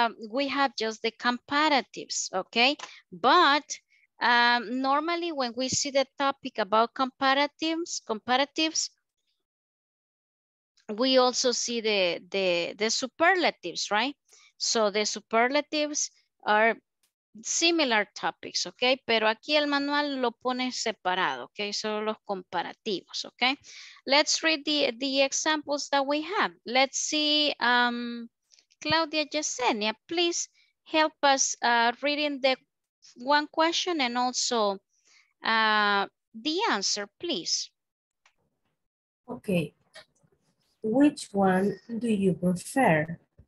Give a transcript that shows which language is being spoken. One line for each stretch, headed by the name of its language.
English: We have just the comparatives, okay? But normally when we see the topic about comparatives, we also see the superlatives, right? So the superlatives are similar topics, okay?
Spanish: Pero aquí el manual lo pone separado, okay? Solo los comparativos,
English: okay? Let's read the examples that we have. Let's see, Claudia Yesenia, please help us reading the one question and also the answer, please. Okay. Which one do you prefer?